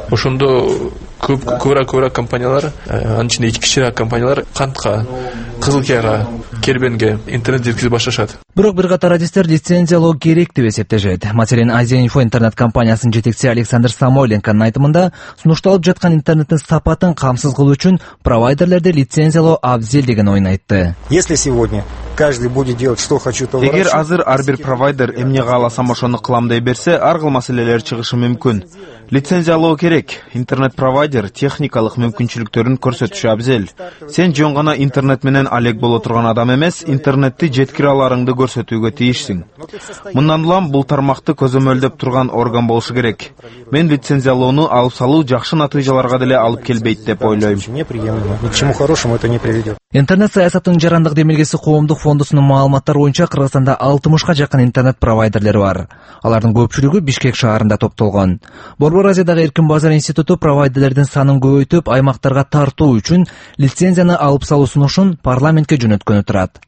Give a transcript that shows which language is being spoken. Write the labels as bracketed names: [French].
[Kyrgyz] Ошондо көбүрөөк компаниялар, анын ичинде кичирээк компаниялар кантка, кызыл кияга, кербенге интернет жеткизе башташат. Бирок бир катар адистер лицензиялоо керек деп эсептешет. Маселен, Азия-Инфо интернет компаниясынын жетекчиси Александр Самойленконун айтымында сунушталып жаткан интернеттин сапатын камсыз кылуу үчүн провайдерлерди лицензиялоо абзел деген оюн айтты. [Russian] Если сегодня каждый будет делать что хочу, то [Kyrgyz] эгер азыр ар бир провайдер эмне кааласам ошону кылам дей берсе, ар кыл маселелер чыгышы мүмкүн. Лицензиялоо керек. Интернет провайдер техникалык мүмкүнчүлүктөрүн көрсөтүшү абзел. Сен жөн гана интернет менен алек боло турган адам эмес, интернетти жеткире аларыңды көрсөтүүгө тийишсиң. Мындан улам бул тармакты көзөмөлдөп турган орган болушу керек. Мен лицензиялоону алып салуу жакшы натыйжаларга деле алып келбейт деп ойлойм. [Russian] Ни к чему хорошему это не приведет. [Kyrgyz] Интернет саясатынын жарандык демилгеси коомдук фондусунун маалыматтары боюнча Кыргызстанда 60 жакын интернет провайдерлери бар. Алардын көпчүлүгү Бишкек шаарында топтолгон. Евразиядагы эркин базар институту провайдерлердин санын көбөйтүп, аймактарга тартуу үчүн лицензияны алып салуусун ушун парламентке жөнөткөнү турат.